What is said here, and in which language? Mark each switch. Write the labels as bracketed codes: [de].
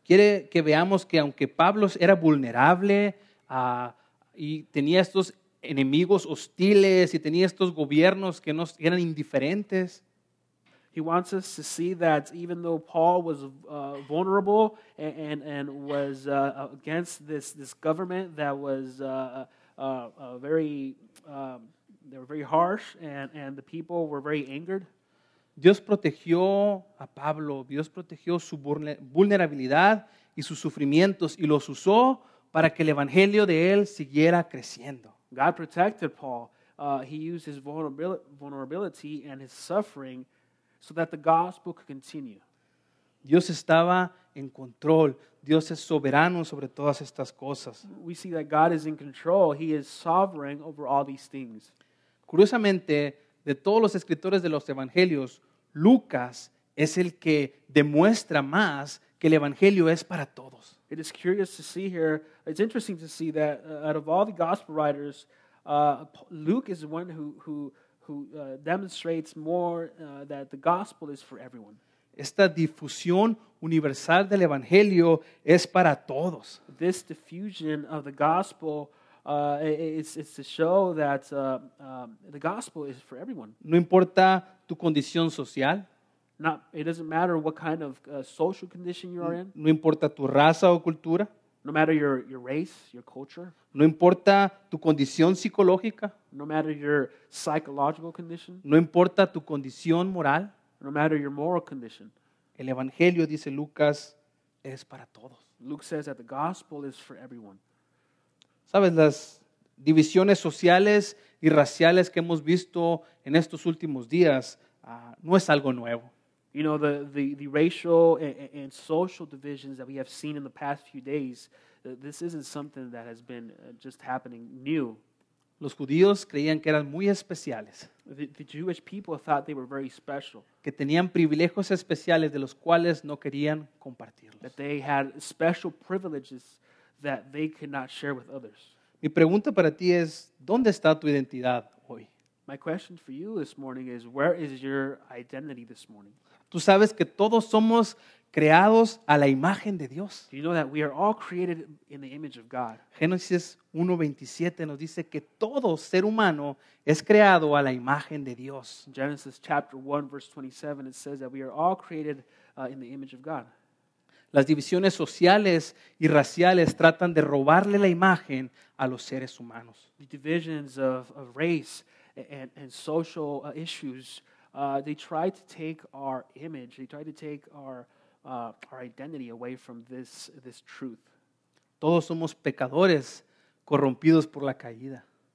[es] Quiere que veamos que aunque Pablo era vulnerable y tenía estos enemigos hostiles y tenía estos gobiernos que no eran indiferentes. [en] He wants us to see that even though Paul was vulnerable and was against this government that was very harsh and the people were very angered. [es] Dios protegió a Pablo, Dios protegió su vulnerabilidad y sus sufrimientos y los usó para que el evangelio de él siguiera creciendo. [en] God protected Paul. He used his vulnerability and his suffering so that the gospel could continue. [es] Dios estaba en control. Dios es soberano sobre todas estas cosas. [en] We see that God is in control. He is sovereign over all these things. [es] Curiosamente, de todos los escritores de los evangelios, Lucas es el que demuestra más que el evangelio es para todos. [en] It is curious to see here, it's interesting to see that out of all the gospel writers, Luke is the one who demonstrates more that the gospel is for everyone. [es] Esta difusión universal del evangelio es para todos. [en] This diffusion of the gospel it's to show that the gospel is for everyone. [es] No importa tu condición social. [en] It doesn't matter what kind of social condition you are in. [es] No importa tu raza o cultura. [en] No matter your race, your culture. [es] No importa tu condición psicológica. [en] No matter your psychological condition. [es] No importa tu condición moral. [en] No matter your moral condition. [es] El evangelio, dice Lucas, es para todos. [en] Luke says that the gospel is for everyone. [es] ¿Sabes las divisiones sociales y raciales que hemos visto en estos últimos días? No es algo nuevo. [en] You know, the racial and social divisions that we have seen in the past few days, this isn't something that has been just happening new. [es] Los judíos creían que eran muy especiales. [en] The Jewish people thought they were very special. [es] Que tenían privilegios especiales de los cuales no querían compartirlos. [en] That they had special privileges that they could not share with others. [es] Mi pregunta para ti es, ¿dónde está tu identidad hoy? [en] My question for you this morning is, where is your identity this morning? [es] Tú sabes que todos somos creados a la imagen de Dios. [en] Do you know that we are all created in the image of God? [es] Génesis 1:27 nos dice que todo ser humano es creado a la imagen de Dios. [en] Genesis chapter 1 verse 27, it says that we are all created in the image of God. [es] Las divisiones sociales y raciales tratan de robarle la imagen a los seres humanos. [en] The divisions of race and social issues, they try to take our image, they try to take our identity away from this truth. [es] Todos somos pecadores corrompidos por la caída.